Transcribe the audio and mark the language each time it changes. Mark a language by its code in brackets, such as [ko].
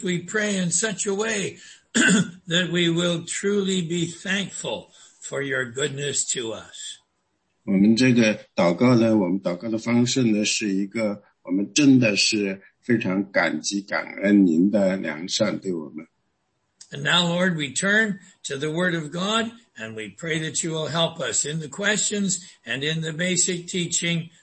[en] We pray in such a way that we will truly be thankful for your goodness to us. [zh] 我们这个祷告呢，我们祷告的方式呢，是一个我们真的是非常感激感恩您的良善对我们。 [en] And now, Lord, we turn to the Word of God, and we pray that you will help us in the questions and in the basic teaching.